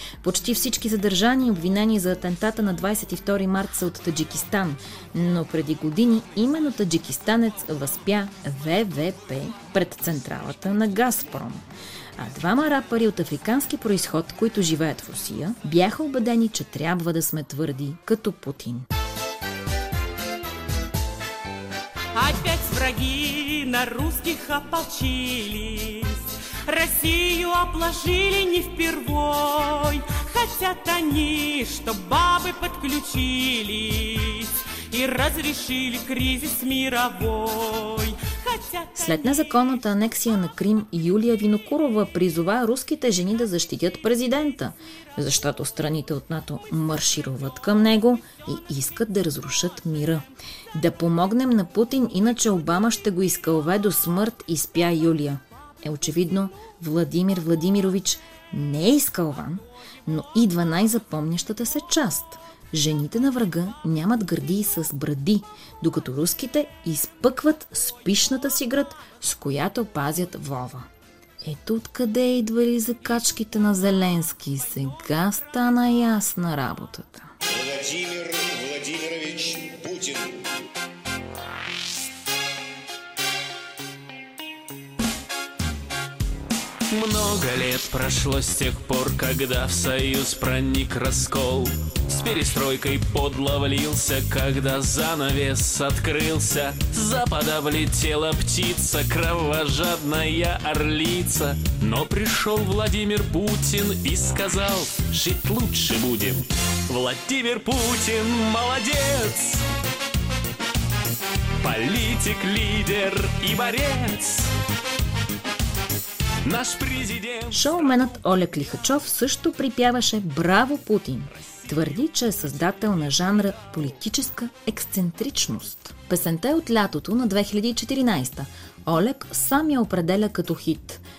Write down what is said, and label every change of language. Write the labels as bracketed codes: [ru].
[bg] Почти всички задържани и обвинени за атентата на 22 март са от Таджикистан, но преди години именно таджикистанец възпя ВВП пред централата на Газпром. А двама рапъри от африкански произход, които живеят в Русия, бяха убедени, че трябва да сме твърди като Путин. [ru] Опять враги на русских ополчились. Россию обложили не впервой, хотят они, чтоб бабы подключились и разрешили кризис мировой. [bg] След незаконната анексия на Крим, Юлия Винокурова призова руските жени да защитят президента, защото страните от НАТО маршируват към него и искат да разрушат мира. Да помогнем на Путин, иначе Обама ще го изкълве до смърт, изпя Юлия. Е очевидно, Владимир Владимирович не е изкълван, но идва най-запомнящата се част. Жените на врага нямат гърди с бради, докато руските изпъкват спишната си град, с която пазят Вова. Ето откъде идвали закачките на Зеленски. Сега стана ясна работата. Владимир Владимирович Путин. [ru] Много лет прошло с тех пор, когда в Союз проник раскол. С перестройкой подло влился, когда занавес открылся. Запада влетела птица, кровожадная орлица. Но пришел Владимир Путин и сказал, жить лучше будем. Владимир Путин молодец! Политик, лидер и борец! Наш президент. [bg] Шоуменът Олег Лихачов също припяваше «Браво, Путин!». Твърди, че е създател на жанра «Политическа ексцентричност». Песента е от лятото на 2014-та. Олег сам я определя като хит.